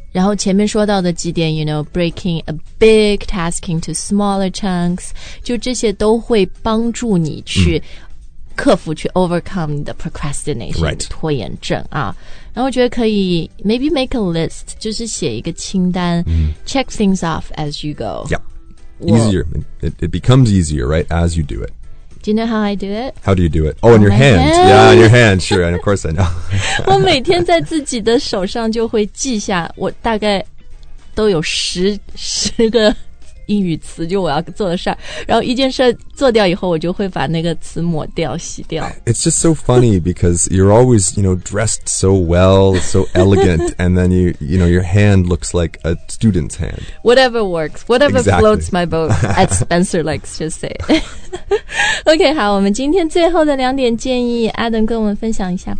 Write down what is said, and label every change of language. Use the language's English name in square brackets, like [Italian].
[Chinese] 然后前面说到的几点 [English] you know, breaking a big task into smaller chunks, [Chinese] 就这些都会帮助你去克服、去 overcome 你的 procrastination,、 [English] right. [Chinese] 拖延症啊。然后我觉得可以 [English] maybe make a list, [Chinese] 就是写一个清单、 [English] check things off as you go. Yeah, easier. It becomes easier, right, as you do it. Do you know how I do it? How do you do it? Oh, in your hand. Yeah, in your hand. Sure, and of course I know. [Chinese] 我每天在自己的手上就会记下我大概都有十个英语词就我要做的事儿然后一件事做掉以后我就会把那个词抹掉洗掉 [English] It's just so funny because you're always, you know, dressed so well, so elegant and then you know, your hand looks like a student's hand Whatever works, whatever、 exactly. floats my boat as Spencer likes to say OK, [Chinese] 好我们今天最后的两点建议 Adam 跟我们分享一下